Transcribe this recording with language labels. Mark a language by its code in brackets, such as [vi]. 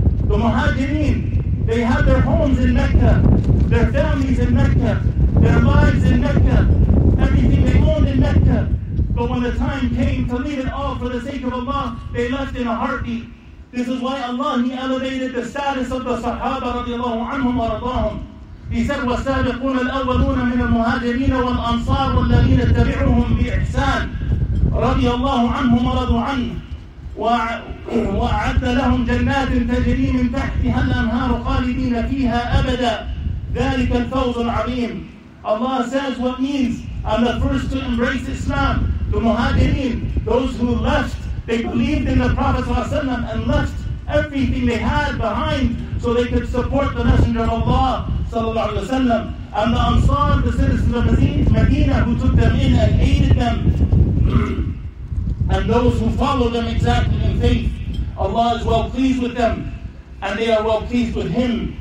[en] The Muhajirin, they had their homes in Mecca, their families in Mecca, their lives in Mecca, everything they owned in Mecca. But when the time came to leave it all for the sake of Allah, they left in a heartbeat. This is why Allah, he elevated the status of the Sahaba radiallahu anhum wa radahum. He said, [ar] وَالسَّابِقُونَ الْأَوَّلُونَ مِنَ الْمُهَاجِرِينَ وَالْأَنصَارُ وَالَّذِينَ اتَّبِعُوهُمْ بِإِحْسَانٍ رضي الله عنهم ورضوا عنه وأعد لهم جنات تجري من تحتها الأنهار خالدين فيها أبدا ذلك الفوز العظيم. [en] Allah says what means, I'm the first to embrace Islam. The Muhajirin, those who left, they believed in the Prophet ﷺ and left everything they had behind so they could support the Messenger of Allah sallallahu alaihi wasallam. And the Ansar, the citizens of Medina, who took them in and aided them, and those who followed them exactly in faith, Allah is well pleased with them, and they are well pleased with Him.